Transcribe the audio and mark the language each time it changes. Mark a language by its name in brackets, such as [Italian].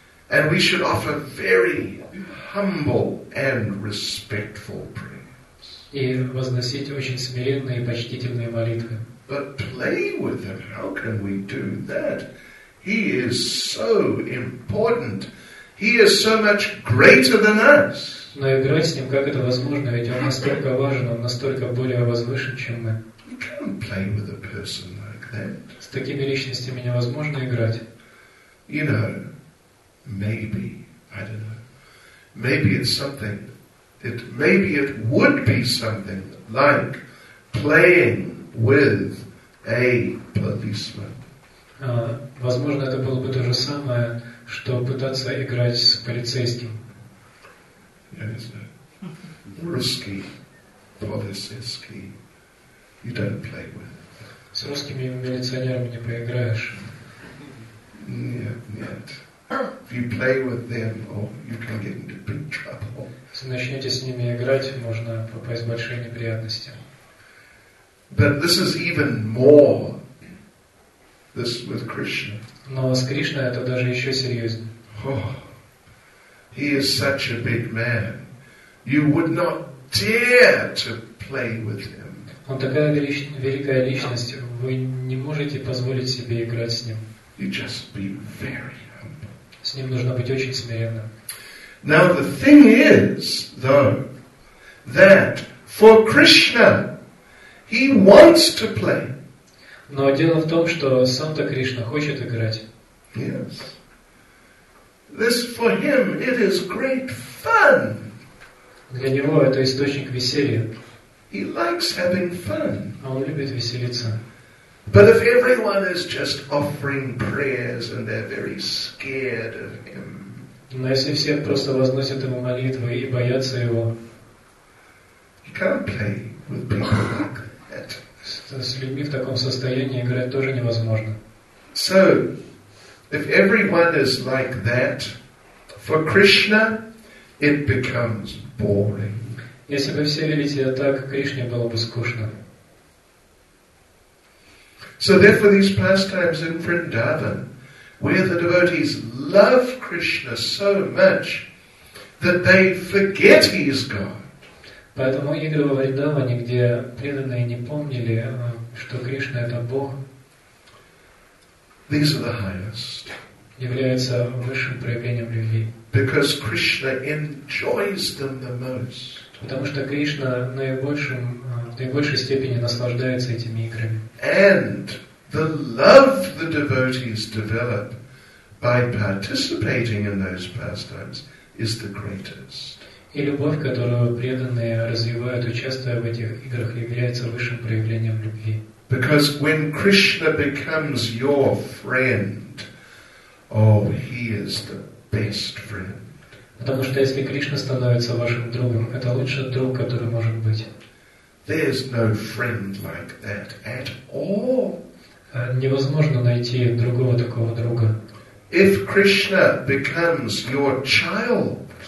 [English] And we should offer very humble and respectful prayers. [Russian] И возносить очень смиренные и почтительные молитвы. [English] But play with him. How can we do that? He is so important. He is so much greater than us. [Russian] Но играть с ним, как это возможно? Ведь он настолько важен, он настолько более возвышен, чем мы. [English] You can't play with a person like that. [Russian] С такими личностями невозможно играть. [English] You know, maybe, I don't know. Maybe it's something, it, maybe it would be something like playing with a policeman. [Russian] Возможно, это было бы то же самое, что пытаться играть с полицейским. [English] Yes, no. [Russian] Русский полицейский. [English] You don't play with. [Russian] С русскими милиционерами не поиграешь. Нет, нет. [English] If you play with them, oh, you can get into big trouble. [Russian] Если начнете с ними играть, можно попасть в большие неприятности. [English] But this is even more. This with Krishna. [Russian] Но с Кришной это даже еще серьезнее. [English] Oh, he is such a big man. You would not dare to play with him. [Russian] Он такая великая личность. Вы не можете позволить себе играть с ним. [English] You just be very humble. [Russian] С ним нужно быть очень смиренным. [English] Now the thing is, though, that for Krishna, he wants to play. [Russian] Но дело в том, что сам-то Кришна хочет играть. [English] Yes. This for him it is great fun. [Russian] Для него это источник веселья. [English] He likes having fun. [Russian] Он любит веселиться. [English] But if everyone is just offering prayers and they're very scared of him. [Russian] Но если все просто возносят ему молитвы и боятся его. [English] He can't play with people like that. [Russian] С людьми в таком состоянии играть тоже невозможно. [English] So, if everyone is like that, for Krishna, it becomes boring. [Russian] Если бы все вели себя так, Кришне было бы скучно. [English] So, therefore, these pastimes in Vrindavan, where the devotees love Krishna so much that they forget he is God. [Russian] Поэтому игры во Вриндаване, где преданные не помнили, что Кришна это Бог, [English] these are the highest. [Russian] Являются высшим проявлением любви. [English] Because Krishna enjoys them the most. [Russian] Потому что Кришна в наибольшей степени наслаждается этими играми. [English] And the love the devotees develop by participating in those pastimes is the greatest. [Russian] И любовь, которую преданные развивают, участвуя в этих играх, является высшим проявлением любви. [English] Because when Krishna becomes your friend, oh, he is the best friend. [Russian] Потому что если Кришна становится вашим другом, это лучший друг, который может быть. [English] There's no friend like that at all. [Russian] Невозможно найти другого такого друга. [English] If Krishna becomes your child,